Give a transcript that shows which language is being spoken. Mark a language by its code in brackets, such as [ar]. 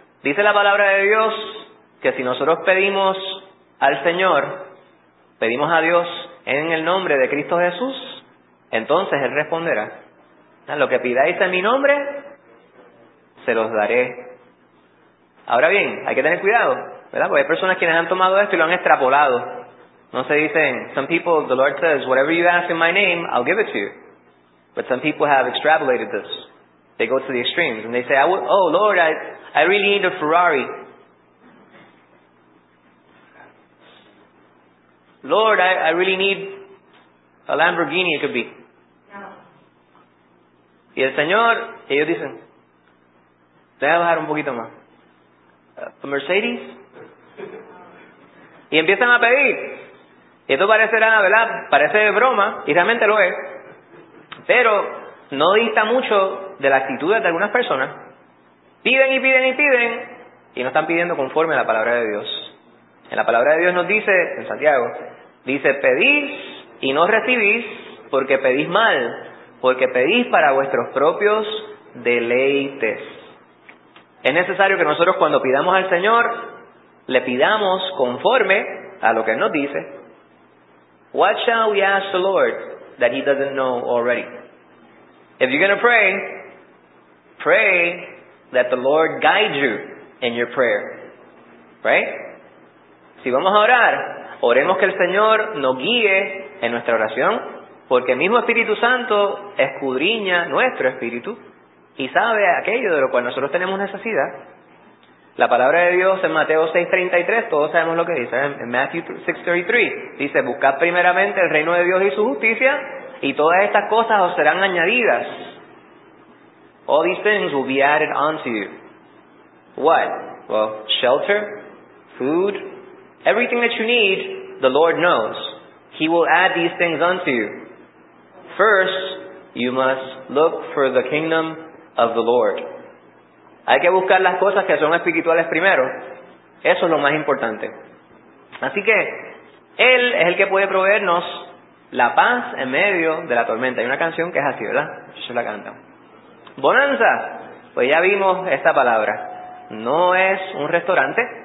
[es] Dice la palabra de Dios que si nosotros pedimos al Señor, pedimos a Dios en el nombre de Cristo Jesús, entonces Él responderá. Lo que pidáis en mi nombre, se los daré. Ahora bien, hay que tener cuidado, ¿verdad? Porque hay personas quienes han tomado esto y lo han extrapolado. No se dicen, [en] some people, the Lord says, whatever you ask in my name, I'll give it to you. But some people have extrapolated this. They go to the extremes and they say, Lord, I really need a Ferrari. Lord, I really need a Lamborghini, it could be. [es] Y el Señor, ellos dicen, déjame bajar un poquito más. A Mercedes? y empiezan a pedir. Y esto parecerá, ¿verdad? Parece de broma, y realmente lo es. Pero no dista mucho de las actitudes de algunas personas. Piden y piden y piden, y no están pidiendo conforme a la palabra de Dios. En la palabra de Dios nos dice, en Santiago, dice, pedís y no recibís, porque pedís mal, porque pedís para vuestros propios deleites. Es necesario que nosotros cuando pidamos al Señor, le pidamos conforme a lo que Él nos dice. [en] What shall we ask the Lord that He doesn't know already? If you're going to pray, pray that the Lord guide you in your prayer. Right? [es] Si vamos a orar, oremos que el Señor nos guíe en nuestra oración, porque el mismo Espíritu Santo escudriña nuestro espíritu y sabe aquello de lo cual nosotros tenemos necesidad. La palabra de Dios en Mateo 6.33, todos sabemos lo que dice, en Matthew 6.33, dice, buscad primeramente el reino de Dios y su justicia, y todas estas cosas os serán añadidas. [en] All these things will be added unto you. What? Well, shelter, food, everything that you need, the Lord knows. He will add these things unto you. First, you must look for the kingdom of the Lord. [es] Hay que buscar las cosas que son espirituales primero. Eso es lo más importante. Así que, Él es el que puede proveernos la paz en medio de la tormenta. Hay una canción que es así, ¿verdad? Yo la canto. Bonanza. Pues ya vimos esta palabra. No es un restaurante.